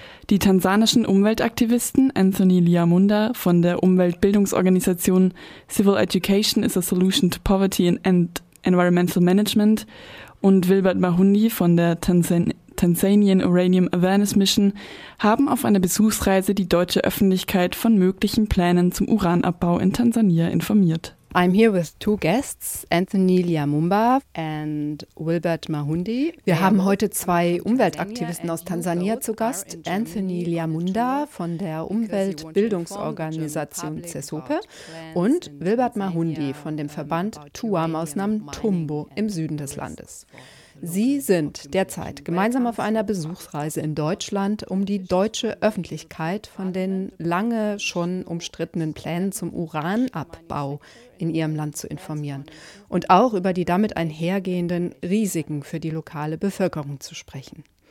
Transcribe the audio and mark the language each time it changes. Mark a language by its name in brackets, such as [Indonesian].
[German] Die tansanischen Umweltaktivisten Anthony Liamunda von der Umweltbildungsorganisation Civil Education is a Solution to Poverty and Environmental Management und Wilbert Mahundi von der Tanzanian Uranium Awareness Mission haben auf einer Besuchsreise die deutsche Öffentlichkeit von möglichen Plänen zum Uranabbau in Tansania informiert. [English] I'm here with two guests, Anthony Liamumba and Wilbert Mahundi. [German] Wir haben heute zwei Umweltaktivisten aus Tansania zu Gast, Anthony Liamunda von der Umweltbildungsorganisation CESOPE und Wilbert Mahundi von dem Verband Tuam aus Namtumbo im Süden des Landes. Sie sind derzeit gemeinsam auf einer Besuchsreise in Deutschland, um die deutsche Öffentlichkeit von den lange schon umstrittenen Plänen zum Uranabbau in Ihrem Land zu informieren und auch über die damit einhergehenden Risiken für die lokale Bevölkerung zu sprechen.